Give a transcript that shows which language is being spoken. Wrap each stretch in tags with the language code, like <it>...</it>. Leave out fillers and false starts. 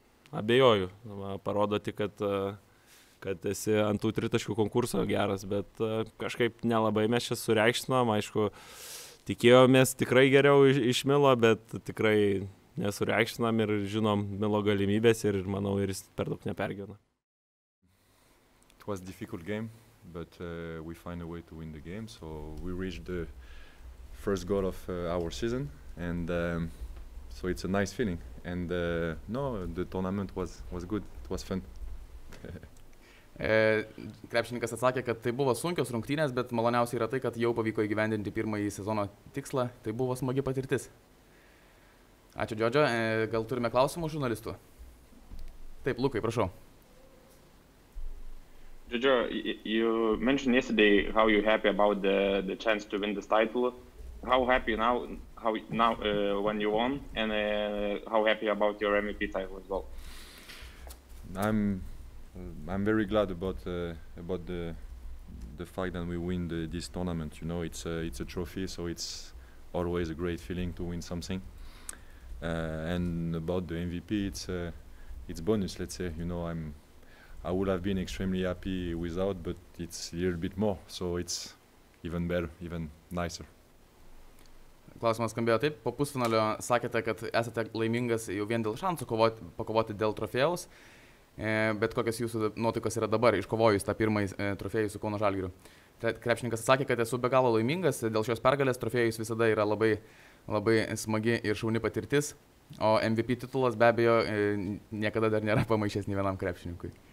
<lt>Abejoju, parodo tik, kad esi ant tų tritaškių konkurso geras, bet kažkaip nelabai mes čia sureikšinom, aišku, tikėjomės tikrai geriau iš Milo, bet tikrai nesureikšinom ir žinom Milo galimybės ir manau, ir jis per daug nepergyvena.</lt> <en>It was a difficult game, but we find a way to win the game, so we reached the first goal of our season, and so it's a nice feeling. And no, the tournament was good, it was fun.</en> <lt>Krepšininkas atsakė, kad tai buvo sunkios rungtynės, bet maloniausiai yra tai, kad jau pavyko įgyvendinti pirmąjį sezono tikslą. Tai buvo smagi patirtis. Ačiū, Džodžio. Gal turime klausimų žurnalistų? Taip, Lukai, prašau.</lt> <en>Džodžio, you mentioned yesterday how you're happy about the chance to win this title. How happy now when you won, and how happy about your MVP title as well? I'm very glad about the fact that we win this tournament. You know, it's a trophy, so it's always a great feeling to win something. And about the MVP, it's bonus. Let's say, you know, I would have been extremely happy without, but it's a little bit more, so it's even better, even nicer.</en> <lt>Klausimas skambėjo taip, po pusfinalio sakėte, kad esate laimingas jau vien dėl šansų pakovoti dėl trofėjaus, bet kokios jūsų nuotaikos yra dabar iškovojus tą pirmąjį trofėjų su Kauno Žalgiriu. Krepšininkas sakė, kad esu be galo laimingas dėl šios pergalės, trofėjus visada yra labai, labai smagi ir šauni patirtis, o MVP titulas be abejo niekada dar nėra pamaišęs nei vienam krepšininkui.</lt>